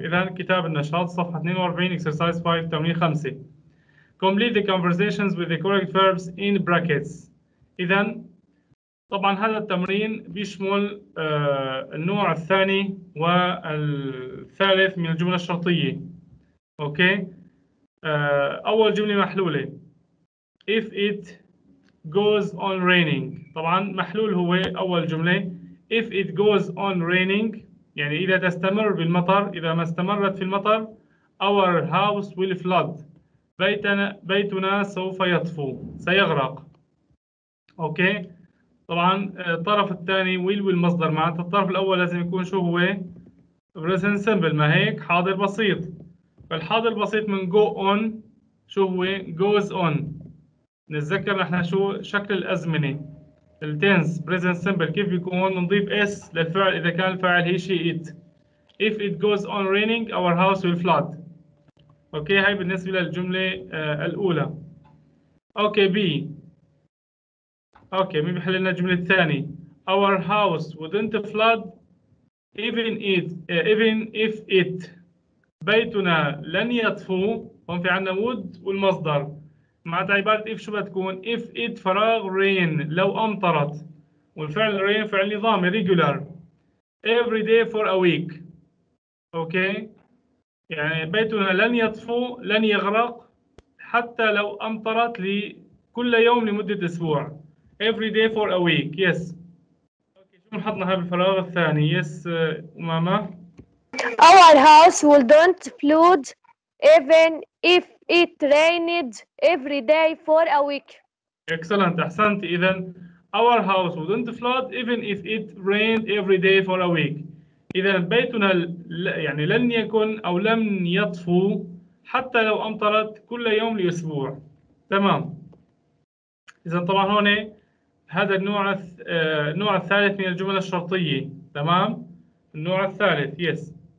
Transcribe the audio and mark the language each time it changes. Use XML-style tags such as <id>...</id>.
<ar>إذن كتاب النشاط صفحة 42, exercise 5, تمرين 5.</ar> <en>Complete the conversations with the correct verbs in brackets.</en> <ar>إذن طبعا هذا التمرين بيشمل النوع الثاني والثالث من الجملة الشرطية. اوكي، اول جملة محلولة</ar> <en>if it goes on raining.</en> <ar>طبعا محلول هو اول جملة</ar> <en>if it goes on raining،</en> <ar>يعني اذا تستمر بالمطر، اذا ما استمرت في المطر</ar> <en>our house will flood،</en> <ar>بيتنا سوف يطفو، سيغرق. اوكي، طبعا الطرف الثاني will والمصدر، معناته الطرف الاول لازم يكون شو هو؟ present simple، ما هيك؟ حاضر بسيط. فالحاضر البسيط من go on شو هو؟ goes on. نتذكر نحن شو شكل الازمنه التنس present simple كيف بيكون؟ نضيف s للفعل اذا كان الفعل هي شيء it.</ar> <en>if it goes on raining our house will flood.</en> <ar>اوكي، هاي بالنسبه للجمله الاولى. اوكي b، اوكي مين بيحل لنا الجمله الثانيه؟</ar> <en>our house wouldn't flood even it even if it،</en> <ar>بيتنا لن يطفو. هون في عندنا would والمصدر، معناتها عباره if شو بتكون؟ if it فراغ rain، لو امطرت، والفعل rain فعل نظامي regular</ar> <en>every day for a week.</en> <ar>اوكي، يعني بيتنا لن يطفو، لن يغرق حتى لو امطرت لكل يوم لمده اسبوع.</ar> <en>Every day for a week. Yes. Okay.</en> <ar>شو نحطنا هاي بالفراغ الثاني؟ Yes. ماما.</ar> <en>Our house will don't flood even if it rained every day for a week. Excellent.</en> <ar>أحسنت.</ar> <en>إذا our house will don't flood even if it rained every day for a week.</en> <ar>إذا بيتنا يعني لن يكون أو لم يطفو حتى لو أمطرت كل يوم لأسبوع. تمام. إذا طبعا هون هذا النوع الثالث من الجمل الشرطية، تمام؟ النوع الثالث، yes.</ar>